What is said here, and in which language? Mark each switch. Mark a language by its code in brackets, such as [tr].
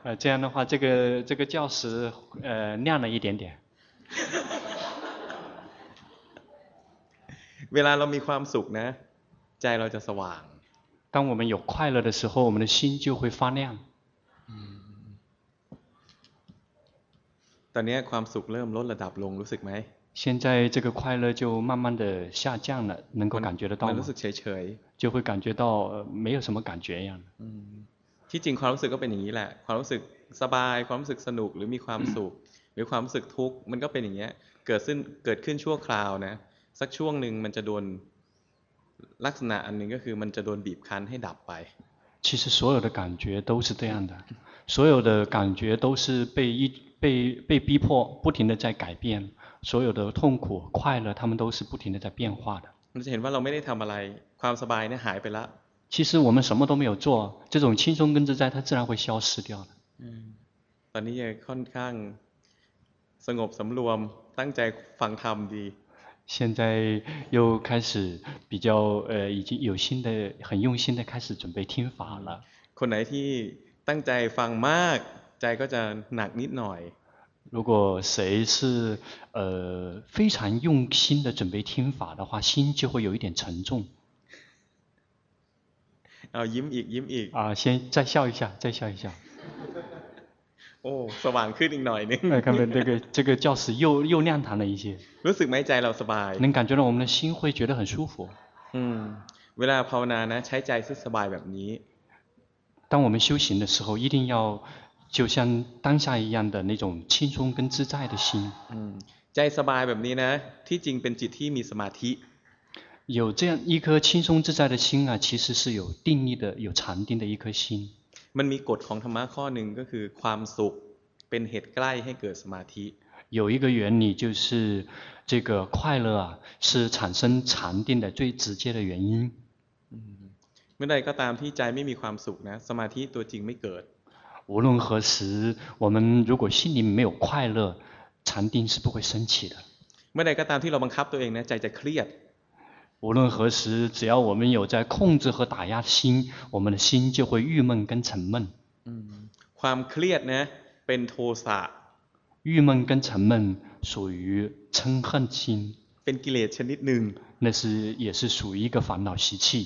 [zh] 这样的话这个教室亮了一点点 [th] เวลาเรามีความสุขนะใจเราจะสว่าง [zh] 当我们有快乐的时候，我们的心就会发亮。 [th] ตอนนี้ความสุขเริ่มลดระดับลงรู้สึกไหม [zh] 现在这个快乐就慢慢的下降了，能够感觉得到吗？ [th] มันรู้สึกเฉย [zh] ๆ就会感觉到没有什么感觉一样。 [th] ที่จริงความรู้สึกก็เป็นอย่างนี้แหละความรู้สึกสบายความรู้สึกสนุกหรือมีความสุขหรือความรู้สึกทุกข์มันก็เป็นอย่างนี้เกิดขึ้นชั่วคราวนะสักช่วงนึงมันจะโดนลักษณะอันหนึ่งก็คือมันจะโดนบีบคั้นให้ดับไป [zh] 其实所有的感觉都是这样的所有的感觉都是被逼迫不停的在改变所有的痛苦快乐他们都是不停的在变化的 [th] มันจะเห็นว่าเราไม่ได้ทำอะไรความสบายเนี่ยหายไปละ [zh] 其实我们什么都没有做这种轻松跟自在它自然会消失掉的 [th] ตอนนี้ยังค่อนข้างสงบสำรวมตั้งใจฟังธรรมดี [zh] 现在又开始比较已经有心的很用心的开始准备听法了 [th] คนไหนที่ตั้งใจฟังมากใจก็จะหนักนิดหน่อย [zh] 如果谁是非常用心的准备听法的话心就会有一点沉重 [th] เอายิ้มอีก [zh] 先再笑一下 [th] โอ้สว่างขึ้นอีกหน่อยนึง ไอ้คําเป็น [zh] 这个教室又亮堂了一些 [th] รู้สึกมั้ยใจเราสบาย [zh] 能感觉到我们的心会觉得很舒服 [th] เวลาภาวนานะใช้ใจให้สบายแบบนี้ [zh] 当我们修行的时候一定要就像当下一样的那种轻松跟自在的心 [th] ใจสบายแบบนี้นะที่จริงเป็นจิตที่มีสมาธิ [zh] 有这样一颗轻松自在的心啊其实是有定力的有禅定的一颗心 [th] มันมีกฎของธรรมะข้อหนึ่งก็คือความสุขเป็นเหตุใกล้ให้เกิดสมาธิ [zh] 有一个原理就是这个快乐啊是产生禅定的最直接的原因 [th] เมื่อใดก็ตามที่ใจไม่มีความสุขนะสมาธิตัวจริงไม่เกิด [zh] 无论何时我们如果心里没有快乐禅定是不会升起的 [th] เมื่อใดก็ตามที่เราบังคับตัวเองนะใจจะเครียด [zh] 无论何时只要我们有在控制和打压心我们的心就会郁闷跟沉闷 [th] ความเครียดนะเป็นโทสะ [zh] 郁闷跟沉闷属于嗔恨心 [th] เป็นกิเลสชนิดหนึ่ง [zh] 那是也是属于一个烦恼习气